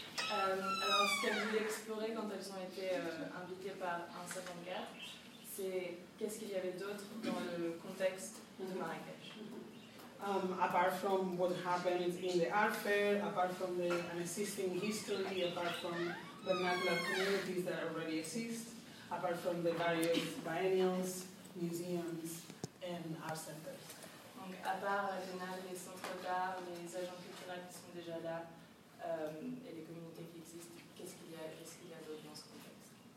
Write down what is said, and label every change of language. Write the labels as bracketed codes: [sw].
[fr] alors, ce qu'elles voulaient explorer quand elles ont été invitées par 154, c'est qu'est-ce qu'il y avait d'autre dans le contexte de Marrakech. [en] Apart from what happened in the art fair, apart from the existing history, apart from the vernacular communities that already exist, apart from the various biennials, museums, and art centers. [fr] Donc, à part général, les centres d'art, les agents culturels qui sont déjà là, et les communautés qui existent, qu'est-ce qu'il y a d'autre dans ce contexte?